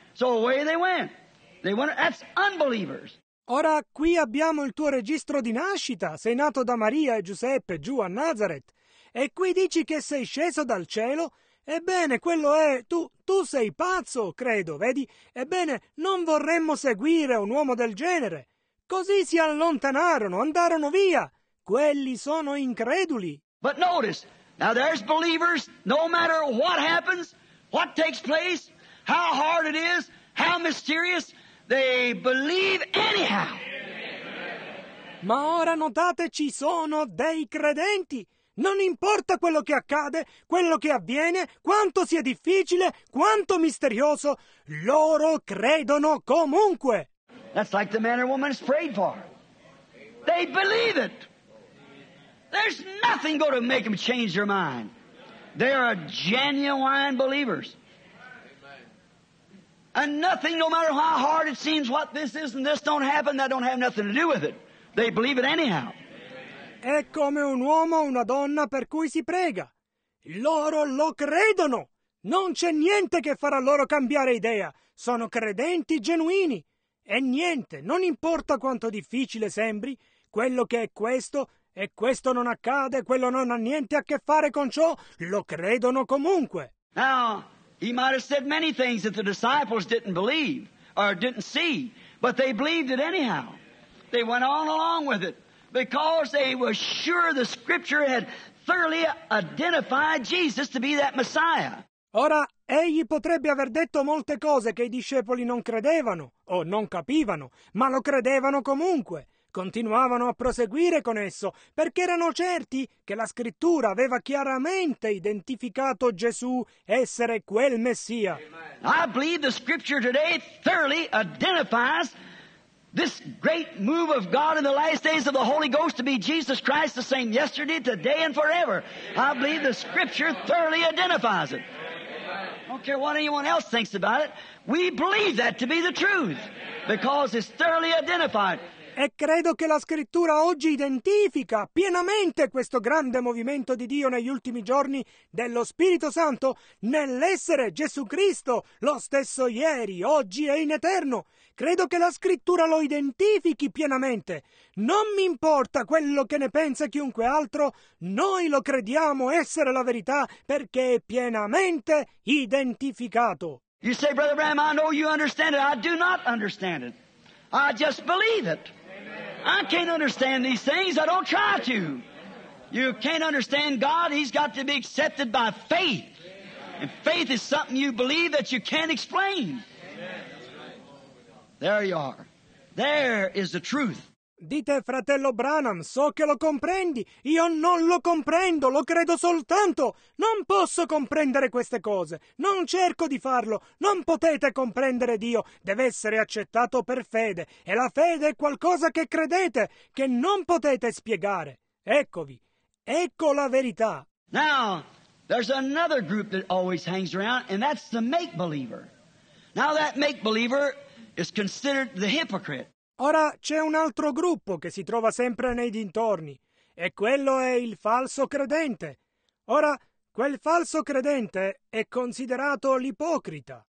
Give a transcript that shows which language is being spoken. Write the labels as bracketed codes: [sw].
[en] So away they went. That's unbelievers. [it] Ora qui abbiamo il tuo registro di nascita. Sei nato da Maria e Giuseppe giù a Nazareth. E qui dici che sei sceso dal cielo? Ebbene, quello è... Tu sei pazzo, credo, vedi? Ebbene, non vorremmo seguire un uomo del genere. Così si allontanarono, andarono via. Quelli sono increduli. [en] But notice... Now there's believers, no matter what happens, what takes place, how hard it is, how mysterious, they believe anyhow. [it] Ma ora notate, ci sono dei credenti. Non importa quello che accade, quello che avviene, quanto sia difficile, quanto misterioso, loro credono comunque. [en] That's like the man or woman has prayed for. They believe it. There's nothing going to make them change their mind. They are genuine believers. And nothing, no matter how hard it seems, what this is and this don't happen, that don't have nothing to do with it. They believe it anyhow. [it] È come un uomo o una donna per cui si prega. Loro lo credono. Non c'è niente che farà loro cambiare idea. Sono credenti genuini. E niente, non importa quanto difficile sembri, quello che è questo... E questo non accade, quello non ha niente a che fare con ciò, lo credono comunque. [en] Now, he might have said many things that the disciples didn't believe or didn't see, but they believed it anyhow. They went on along with it because they were sure the scripture had thoroughly identified Jesus to be that Messiah. [it] Ora, egli potrebbe aver detto molte cose che i discepoli non credevano o non capivano, ma lo credevano comunque. Continuavano a proseguire con esso, perché erano certi che la scrittura aveva chiaramente identificato Gesù essere quel Messia. [en] I believe the scripture today thoroughly identifies this great move of God in the last days of the Holy Ghost to be Jesus Christ the same yesterday, today and forever. I believe the scripture thoroughly identifies it. I don't care what anyone else thinks about it. We believe that to be the truth because it's thoroughly identified. [it] E credo che la scrittura oggi identifica pienamente questo grande movimento di Dio negli ultimi giorni dello Spirito Santo nell'essere Gesù Cristo, lo stesso ieri, oggi e in eterno. Credo che la scrittura lo identifichi pienamente. Non mi importa quello che ne pensa chiunque altro, noi lo crediamo essere la verità perché è pienamente identificato. [en] You say, Brother Bram, I know you understand it. I do not understand it. I just believe it. I can't understand these things. I don't try to. You can't understand God. He's got to be accepted by faith. And faith is something you believe that you can't explain. There you are. There is the truth. [it] Dite, fratello Branham, so che lo comprendi. Io non lo comprendo, lo credo soltanto. Non posso comprendere queste cose. Non cerco di farlo. Non potete comprendere Dio. Deve essere accettato per fede. E la fede è qualcosa che credete, che non potete spiegare. Eccovi. Ecco la verità. [en] Now, there's another group that always hangs around, and that's the make-believer. Now that make-believer is considered the hypocrite. [it] Ora c'è un altro gruppo che si trova sempre nei dintorni, e quello è il falso credente. Ora, quel falso credente è considerato l'ipocrita.